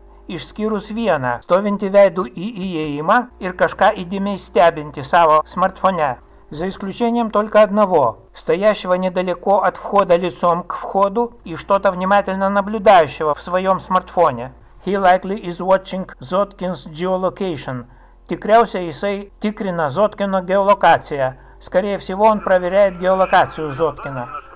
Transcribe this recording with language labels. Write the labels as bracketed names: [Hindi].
[Lithuanian] Išskyrus vieną, stovinti veidu į įėjimą ir kažką įdėmiai stebinti savo smartfone. [Russian] За исключением только одного, стоящего недалеко от входа лицом к входу и что-то внимательно наблюдающего в своем смартфоне. [English] He likely is watching Zotkin's geolocation. [Lithuanian] Tikriausia jisai tikrina Zotkino geolokaciją. [Russian] Скорее всего, он проверяет геолокацию Зоткина.